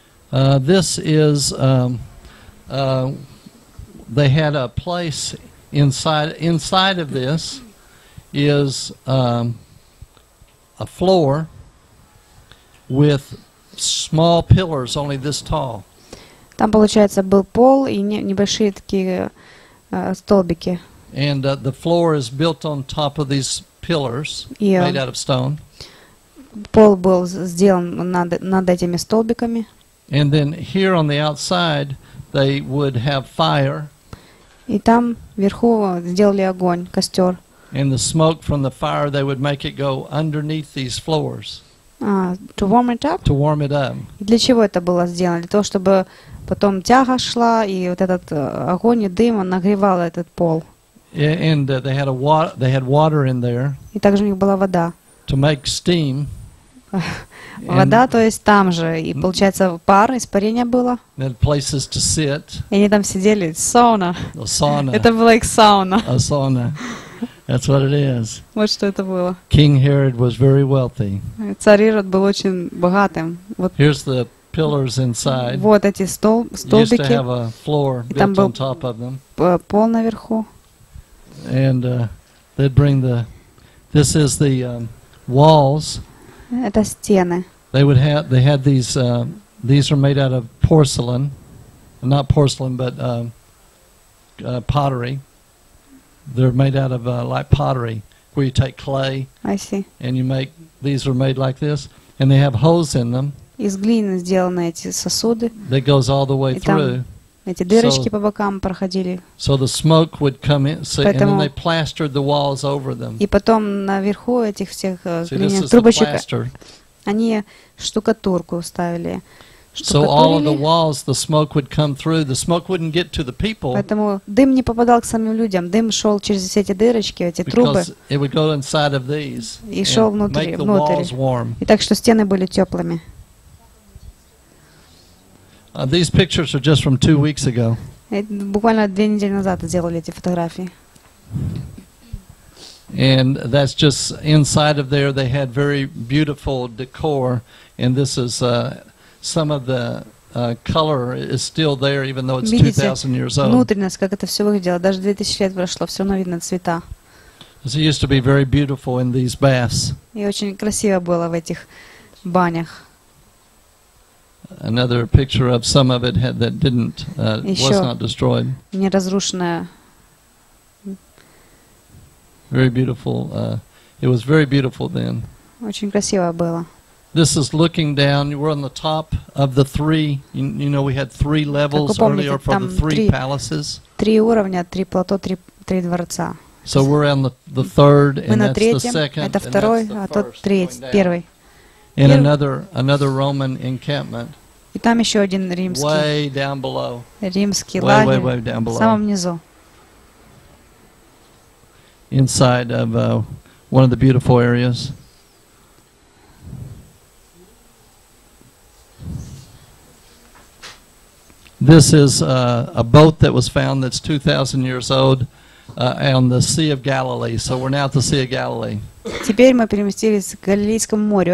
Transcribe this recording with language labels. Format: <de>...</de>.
<en>This is, they had a place inside of this is a floor with small pillars, only this tall.</en> <ru>Там получается был пол и небольшие такие столбики.</ru> <en>And the floor is built on top of these pillars, made out of stone.</en> <ru>Пол был сделан над этими столбиками.</ru> <en>And then here on the outside, they would have fire.</en> <ru>И там вверху сделали огонь, костер.</ru> <en>And the smoke from the fire, they would make it go underneath these floors. To warm it up. To warm it up.</en> <ru>Для чего это было сделано? Для того, чтобы потом тяга шла и вот этот огонь и дым он нагревал этот пол.</ru> <en>And they had water in there.</en> <ru>И также у них была вода.</ru> <en>To make steam.</en> <ru>Вода, то есть там же и получается пар, испарение было.</ru> <en>And places to sit.</en> <ru>И они там сидели. Сауна.</ru> <en>A sauna.</en> <ru>Это было как сауна.</ru> <en>A sauna. That's what it is.</en> <ru>Вот что это было.</ru> <en>King Herod was very wealthy.</en> <ru>Царь Ирод был очень богатым.</ru> <en>Вот. Here's the pillars inside.</en> <ru>Вот эти столбики.</ru> <en>Used to have a floor built on top of them.</en> <ru>И там был пол наверху.</ru> <en>And they'd bring the. This is the walls.</en> <ru>Это стены.</ru> <en>They would have. They had these. These are made out of porcelain, not porcelain, but pottery. They're made out of like pottery, where you take clay. I see. And you make, these are made like this. And they have holes in them.</en> <ru>Из глины сделаны эти сосуды.</ru> <en>That goes all the way through.</en> <ru>Эти дырочки по бокам проходили.</ru> <en>So the smoke would come in, so, and then they plastered the walls over them.</en> <ru>И потом наверху этих всех глиняных трубочек они штукатурку ставили.</ru> <en>So all of the walls, the smoke would come through. The smoke wouldn't get to the people.</en> <ru>Поэтому дым не попадал к самим людям. Дым шел через все эти дырочки, эти трубы.</ru> <en>Because it would go inside of these.</en> <ru>И шел внутрь,</ru> <en>make the walls warm.</en> <ru>И так что стены были теплыми.</ru> <en>These pictures are just from 2 weeks ago.</en> <ru>Буквально две недели назад сделали эти фотографии.</ru> <en>And that's just inside of there. They had very beautiful decor, and this is. Some of the color is still there, even though it's 2,000 years old.</en> <ru>Внутренность, как это все выглядело, даже 2000 лет прошло, все равно видно цвета.</ru> <en>It used to be very beautiful in these baths.</en> <ru>И очень красиво было в этих банях.</ru> <en>Another picture of some of it had, that didn't was not destroyed.</en> <ru>Еще не разрушенная.</ru> <en>Very beautiful. It was very beautiful then.</en> <ru>Очень красиво было.</ru> <en>This is looking down. We're on the top of the three. You know, we had three levels earlier for the three palaces.</en> <ru>Три уровня, три плато, три дворца.</ru> <en>So we're on the third, and that's the second,</en> <ru>это второй,</ru> <en>and that's the first.</en> <ru>Первый.</ru> <en>And another Roman encampment.</en> <ru>И там еще один римский.</ru> <en>Way down below.</en> <ru>Римский</ru> <en>way down below.</en> <ru>В самом низу.</ru> <en>Inside of one of the beautiful areas. This is a boat that was found that's 2,000 years old on the Sea of Galilee. So we're now at the Sea of Galilee.</en> <ru>Теперь мы переместились к Галилейскому морю.</ru>